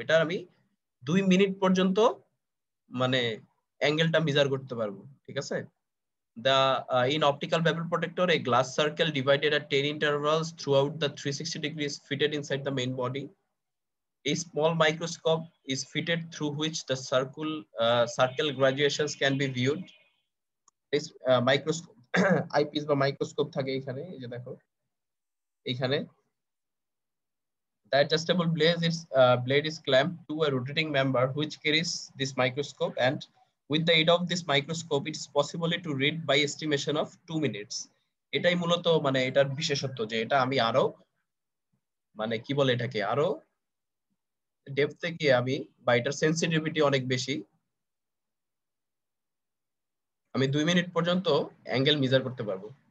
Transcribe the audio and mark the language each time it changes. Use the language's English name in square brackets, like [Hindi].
[Bangla] এটা আমি 2 মিনিট পর্যন্ত মানে অ্যাঙ্গেলটা মিজার করতে পারবো, ঠিক আছে। [English] The in optical bevel protractor a glass circle divided at 10 intervals throughout the 360 degree is fitted inside the main body. এই small microscope is fitted through which the circle graduation can be viewed. [Bangla] Microscope eyepiece বা microscope থাকে এখানে, এই যে দেখো এখানে [English] adjustable blade is blade is clamped to a rotating member which carries this microscope, and with the aid of this microscope it's possible to read by estimation of 2 minutes. [Bangla] এটাই মূলত মানে এটার বিশেষত্ব যে এটা আমি আরো মানে কি বলে এটাকে আরো ডেপথে গিয়ে আমি বা এটার সেন্সিটিভিটি অনেক বেশি আমি 2 মিনিট পর্যন্ত অ্যাঙ্গেল মেজার করতে পারবো।